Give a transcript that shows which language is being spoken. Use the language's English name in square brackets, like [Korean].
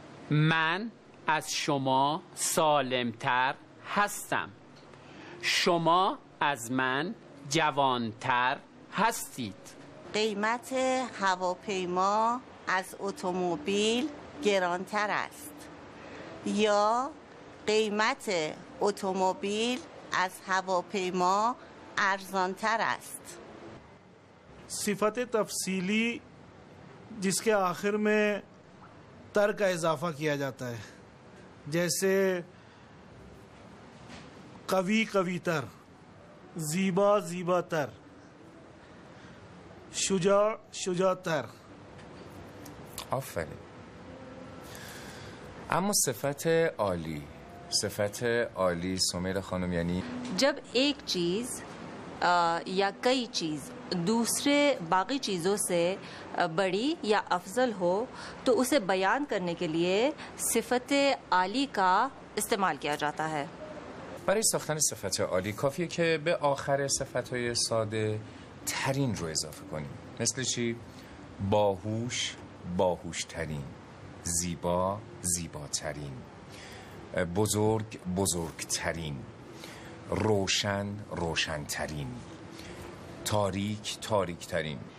[Persian] من از شما سالمتر هستم، شما از من جوانتر هستید، قیمت هواپیما از اتومبیل گرانتر است، یا قیمت اتومبیل از هواپیما ارزانتر است. [Urdu] صفت تفصیلی جس کے آخر میں تر کا اضافہ کیا جاتا ہے، جیسے قوی قوی تر، زیبا زیبا تر، شجاع شجاع تر. [Persian] آفرین. اما صفت عالی، صفت عالی سمیر خانم یعنی [Urdu] جب ایک چیز یا کئی چیز دوسرے باقی چیزوں سے بڑی یا افضل ہو تو اسے بیان کرنے کے لیے صفت عالی کا استعمال کیا جاتا ہے. [Persian] برای ساختن صفت عالی کافیه که به آخر صفت‌های ساده ترین رو اضافه کنیم. مثل چی؟ باهوش، باهوش‌ترین، زیبا، زیباترین، بزرگ، بزرگ‌ترین، روشن، روشن‌ترین، تاریک، تاریک‌ترین،